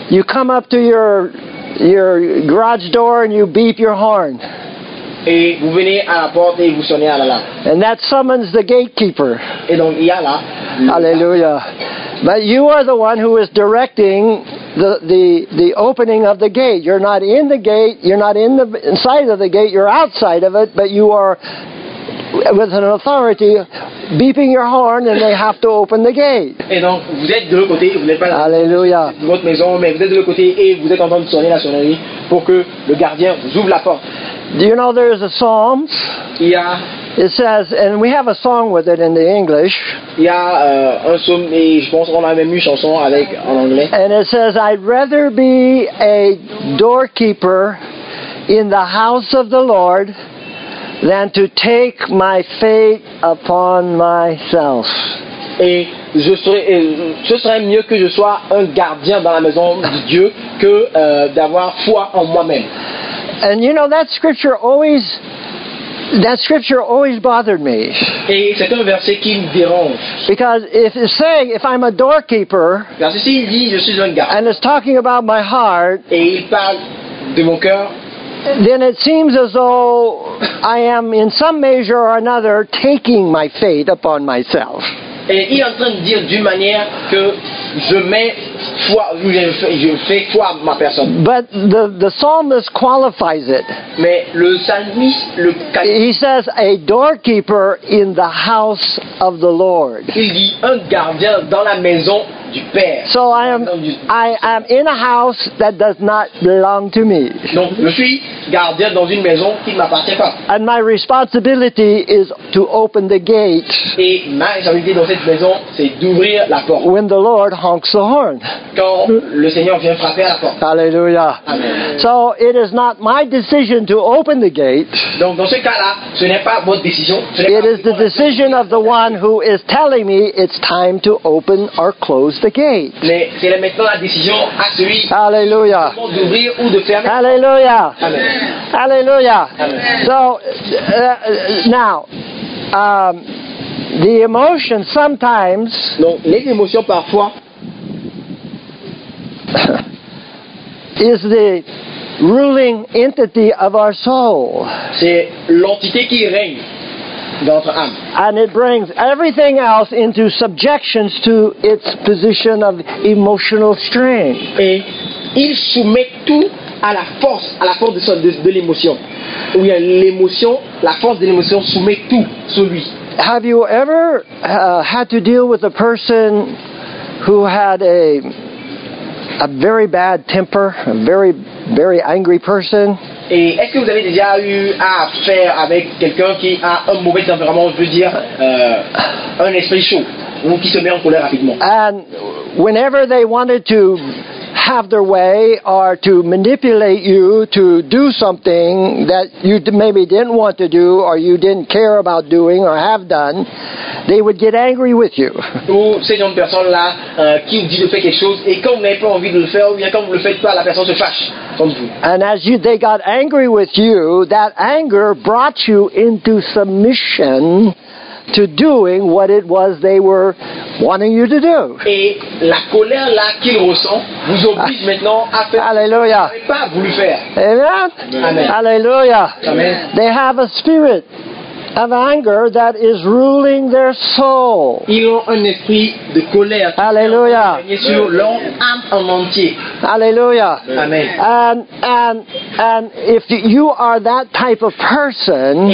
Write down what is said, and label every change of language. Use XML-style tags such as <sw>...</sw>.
<en>You come up to your garage door and you beep your horn.</en> <fr>Et vous venez à la porte et vous sonnez à l'alarme.</fr> <en>And that summons the gatekeeper.</en> <fr>Et donc il y a là. Hallelujah.</fr> <en>But you are the one who is directing the opening of the gate. You're not in the gate, you're not in the inside of the gate, you're outside of it, but you are with an authority beeping your horn and they have to open the gate.</en> <fr>Et donc vous êtes de l'autre côté, vous n'êtes pas dans Alléluia. Votre maison, mais vous êtes de l'autre côté et vous êtes en train de sonner la sonnerie pour que le gardien vous ouvre la porte.</fr> <en>Do you know there is a psalm? Yeah. It says, and we have a song with it in the English.</en> <fr>Il y a un psaume et je pense qu'on a même une chanson avec en anglais.</fr> <en>And it says, I'd rather be a doorkeeper in the house of the Lord than to take my fate upon myself.</en> <fr>Et ce serait mieux que je sois un gardien dans la maison de Dieu que d'avoir foi en moi-même.</fr> <en>And you know that scripture always. That scripture always bothered me.</en> <fr>Et c'est un verset qui me dérange.</fr> <en>Because if it's saying, if I'm a doorkeeper,</en> <fr>parce que s'il dit, je suis un gardien,</fr> <en>and it's talking about my heart,</en> <fr>et il parle de mon cœur,</fr> <en>then it seems as though I am in some measure or another taking my fate upon myself.</en> <fr>Et il est en train de dire d'une manière que je mets foi, je fais foi à ma personne.</fr> <en>But the psalmist qualifies it.</en> <fr>Mais le psalmiste le qualifie.</fr> <en>He says a doorkeeper in the house of the Lord.</en> <fr>Il dit un gardien dans la maison du Père.</fr> <en>So I am in a house that does not belong to me.</en> <fr>Donc je suis gardien dans une maison qui ne m'appartient pas.</fr> <en>And my responsibility is to open the gate.</en> <fr>Et ma responsabilité dans cette maison, c'est d'ouvrir la porte.</fr> <en>When the Lord honks the horn.</en> <fr>Quand le Seigneur vient frapper à la porte. Hallelujah.</fr> <en>So it is not my decision to open the gate.</en> <fr>Donc dans ce cas-là, ce n'est pas votre décision.</fr> <en>It is the decision of the one who is telling me it's time to open or close the gate.</en> <fr>Mais c'est maintenant la décision à celui. Hallelujah. D'ouvrir ou de fermer. Hallelujah. Amen. Hallelujah. Amen.</fr> <en>So now. The emotion sometimes.</en> <fr>Non, les émotions parfois.</fr> <en>Is the ruling entity of our soul.</en> <fr>C'est l'entité qui règne dans notre âme.</fr> <en>And it brings everything else into subjection to its position of emotional strength.</en> <fr>Et il soumet tout à la force de l'émotion. Où il y a l'émotion, la force de l'émotion soumet tout sous lui.</fr> <en>Have you ever had to deal with a person who had a very bad temper, a very very angry person?</en> <fr>Et est-ce que vous avez déjà eu affaire avec quelqu'un qui a un mauvais tempérament, je veux dire un esprit chaud, ou qui se met en colère rapidement?</fr> <en>And whenever they wanted to have their way or to manipulate you to do something that you maybe didn't want to do or you didn't care about doing or have done, they would get angry with you.</en> <fr>Ou ces gens de personnes là qui vous disent de faire quelque chose et quand vous n'avez pas envie de le faire ou bien quand vous le faites pas, la personne se fâche contre vous.</fr> <en>And as they got angry with you, that anger brought you into submission to doing what it was they were wanting you to do.</en> <fr>Et la colère là qu'il ressent vous oblige maintenant à faire. Alléluia. Vous n'avez pas voulu faire. Amen. Alléluia. Amen.</fr> <en>They have a spirit of anger that is ruling their soul.</en> <fr>Ils ont un esprit de colère. Alléluia. Sur leur âme en entier. Alléluia. Amen.</fr> <en>And if you are that type of person,</en>